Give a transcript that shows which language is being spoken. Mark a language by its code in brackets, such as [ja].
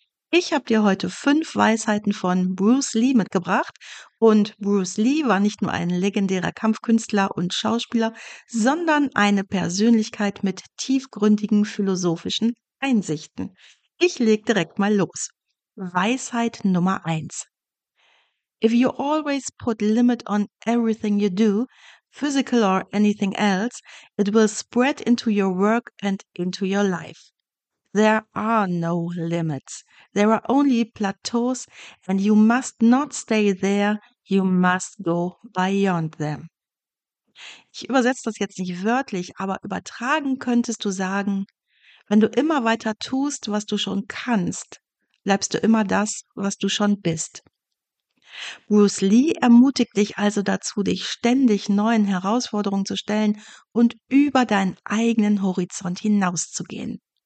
[de] Ich habe dir heute 5 Weisheiten von Bruce Lee mitgebracht. Und Bruce Lee war nicht nur ein legendärer Kampfkünstler und Schauspieler, sondern eine Persönlichkeit mit tiefgründigen philosophischen Einsichten. Ich leg direkt mal los. Weisheit Nummer 1. [en] If you always put limit on everything you do, physical or anything else, it will spread into your work and into your life. There are no limits. There are only plateaus and you must not stay there, you must go beyond them. [de] Ich übersetze das jetzt nicht wörtlich, aber übertragen könntest du sagen: Wenn du immer weiter tust, was du schon kannst, bleibst du immer das, was du schon bist. Bruce Lee ermutigt dich also dazu, dich ständig neuen Herausforderungen zu stellen und über deinen eigenen Horizont hinauszugehen.